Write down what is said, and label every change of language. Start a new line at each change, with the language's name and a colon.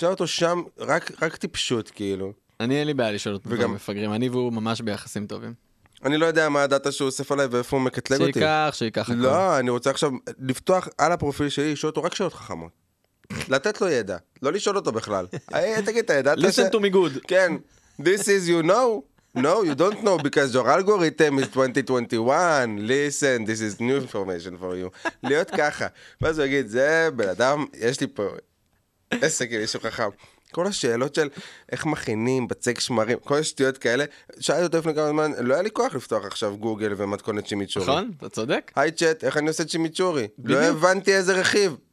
Hebrew: שאל אותו שם, רק טיפשות, כאילו. אני אין לי בעיה לשאול אותו מפגרים, אני והוא ממש ביחסים טובים. אני לא יודע מה הדאטה שהוא אוסף עליי ואיפה הוא מקטלג אותי. שייקח, שייקח הכל. לא, אני רוצה עכשיו לפתוח על הפרופיל שלי, לשאול אותו רק שאלות חכמות. לתת לו ידע, לא לשאול אותו בכלל. תגיד את הידע.
English: Listen to me good. כן. This is you know. No, you don't know, because your algorithm is 2021. Listen, this is new information for you.
Hebrew: להיות ככה. ואז הוא יגיד, זה בן אדם, יש לי פה עסק עם מישהו חכם. כל השאלות של איך מכינים, בצק שמרים, כל השטויות כאלה, שאלתי אותו לפני כמה זמן, לא היה לי כוח לפתוח עכשיו גוגל ומתכונת שימיצ'ורי. נכון, אתה צודק. היי צ'אט, איך אני עושה שימיצ'ורי? לא הבנתי איזה רכיב.